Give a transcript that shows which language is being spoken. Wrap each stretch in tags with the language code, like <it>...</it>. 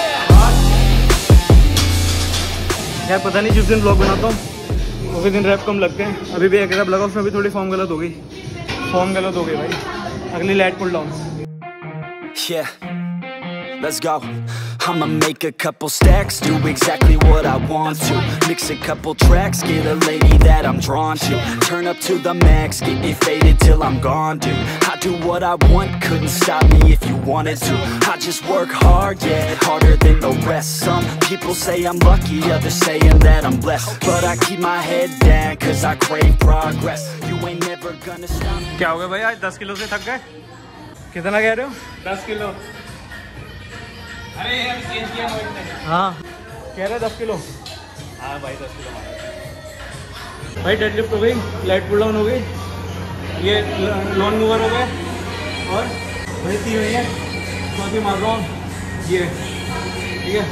<hi>यार पता नहीं जिस दिन ब्लॉग बनाता हूँ उसी दिन रैप कम लगते हैं। अभी भी एक रैप लगा, उसमें भी थोड़ी फॉर्म गलत हो गई भाई। अगली lat pull down.</hi> <en>Yeah, let's go. I'ma make a couple stacks, do exactly what I want to. Mix a couple tracks, get a lady that I'm drawn to. Turn up to the max, get me faded till I'm gone, dude. I do what I want, couldn't stop me if you wanted to. I just work hard, yeah, harder than the rest. Some people say I'm lucky, others saying that I'm blessed. But I keep my head down, cause I crave progress. You ain't never gonna stop me.</en> <hi>क्या हो गया भाई, 10 kilo से थक गए? कितना कह रहे हो? 10 किलो। हाँ कह रहे 10 किलो। हाँ भाई 10 किलो भाई। डेड लिफ्ट हो गई, लाइट पुल डाउन हो गई, ये लॉन मूवर हो गए, और भाई 3 हुई है, चौथी मार रहा हूँ ये, ठीक है।</hi>